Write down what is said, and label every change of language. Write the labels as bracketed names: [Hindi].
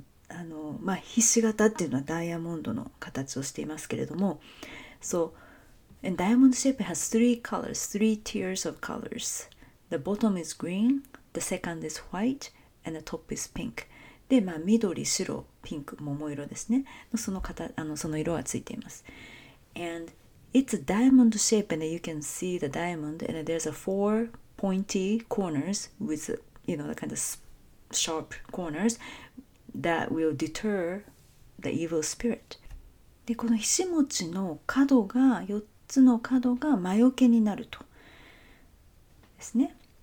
[Japanese] And, まあ、ひし形っていうのはダイヤモンドの形をしていますけれども。 [English] So, and diamond shape has three colors, three tiers of colors. The bottom is green, the second is white, and the top is pink. [Japanese] で、まあ、緑、白、ピンク、桃色ですね。その色がついています。 [English] And,It's a diamond shape and you can see the diamond and there's a four pointy corners with, you know, the kind of sharp corners that will deter the evil spirit. [Japanese] で、このひしもちの角が、4つの角が魔除けになるとですね。